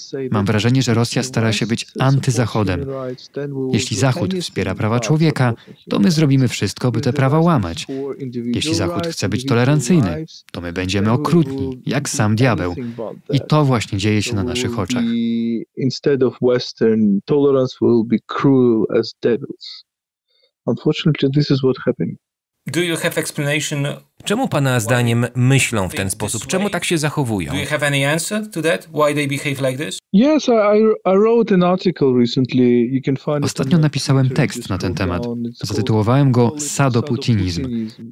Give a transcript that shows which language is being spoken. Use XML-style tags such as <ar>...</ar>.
<pl>Mam wrażenie, że Rosja stara się być antyzachodem. Jeśli Zachód wspiera prawa człowieka, to my zrobimy wszystko, by te prawa łamać. Jeśli Zachód chce być tolerancyjny, to my będziemy okrutni, jak sam diabeł. I to właśnie dzieje się na naszych oczach.</pl> <en>Instead of Western tolerance, we will be cruel as devils. Unfortunately, this is what happened. Do you have explanation?</en> <pl>Czemu pana zdaniem myślą w ten sposób? Czemu tak się zachowują?</pl> <en>Do you have any answer to that? Why they behave like this? Yes, I wrote an article recently. You can find.</en> <pl>Ostatnio napisałem tekst na ten temat. Zatytułowałem go Sadoputinizm.</pl>